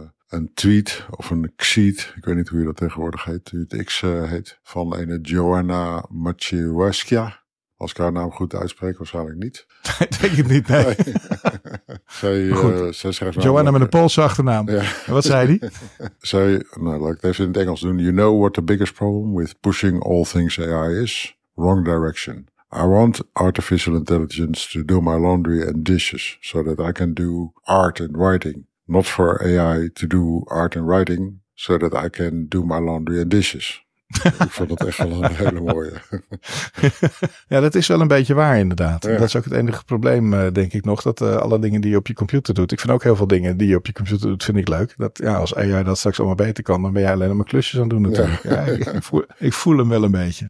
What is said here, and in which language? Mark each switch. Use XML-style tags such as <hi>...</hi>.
<nl>Een tweet of een xeet. Ik weet niet hoe je dat tegenwoordig heet. Het x heet. Van een Joanna Maciejewska. Als ik haar naam goed uitspreek, waarschijnlijk niet. Denk het niet, nee. Zij schrijft Joanna namelijk met een Poolse achternaam. Ja. Wat zei die? Zij, nou, laat ik het even in het Engels doen.</nl> <en>You know what the biggest problem with pushing all things AI is? Wrong direction. I want artificial intelligence to do my laundry and dishes so that I can do art and writing. Not for AI to do art and writing so that I can do my laundry and dishes.</en> <nl>Ik vond dat echt wel een hele mooie. Ja, dat is wel een beetje waar inderdaad. Ja. Dat is ook het enige probleem, denk ik nog. Dat alle dingen die je op je computer doet. Ik vind ook heel veel dingen die je op je computer doet, vind ik leuk. Dat, ja, als AI dat straks allemaal beter kan, dan ben jij alleen maar klusjes aan het doen natuurlijk. Ja. Ja, ik voel hem wel een beetje.</nl>